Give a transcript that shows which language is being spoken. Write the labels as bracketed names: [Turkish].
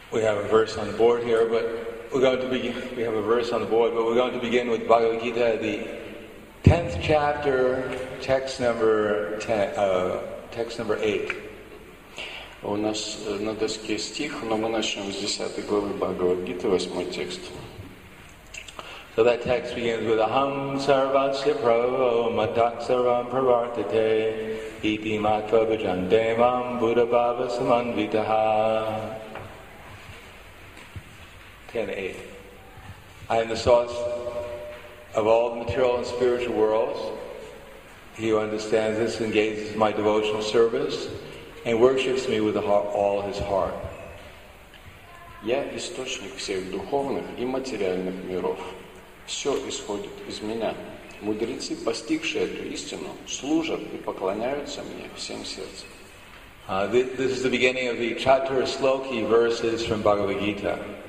[English] We have a verse on the board here, but we're going to begin. We have a verse on the board, but we're going to begin with Bhagavad Gita, the 10th chapter, text number 8. [Russian] У нас на доске стих, но мы начнем с 10 главы Бхагавад Гиты, 8 текст. [English] So that text begins with [Sanskrit] Aham Sarvasya Prabho Matatsaram Pravartate Iti Matva Bhajante Mam Buddha Bhava Samanvitaha. [English] 10:8. I am the source of all the material and spiritual worlds. He who understands this engages in my devotional service and worships me with all his heart. [Russian] Я источник всех духовных и материальных миров. Все исходит из меня. Мудрецы, постигшие эту истину, служат и поклоняются мне всем сердцем. [English] This is the beginning of the Chatur Sloki verses from Bhagavad Gita.